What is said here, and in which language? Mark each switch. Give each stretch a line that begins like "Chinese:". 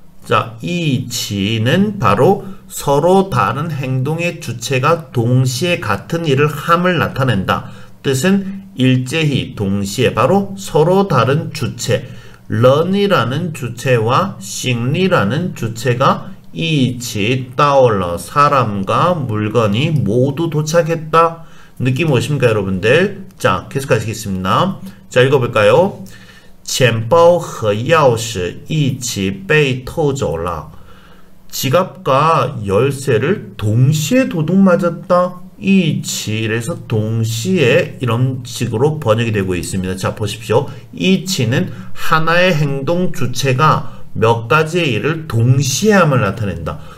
Korean: 자, 이치는 바로 서로 다른 행동의 주체가 동시에 같은 일을 함을 나타낸다. 뜻은 일제히, 동시에, 바로 서로 다른 주체. 런이라는 주체와 싱리라는 주체가 이치 따올러 사람과 물건이 모두 도착했다. 느낌 오십니까 여러분들? 자, 계속 가시겠습니다. 자, 읽어볼까요?
Chinese: 钱包和钥匙一起被偷走了.
Korean: 지갑과 열쇠를 동시에 도둑 맞았다. 이치에서 동시에 이런 식으로 번역이 되고 있습니다. 자, 보십시오. 이치는 하나의 행동 주체가 몇 가지의 일을 동시에 함을 나타낸다.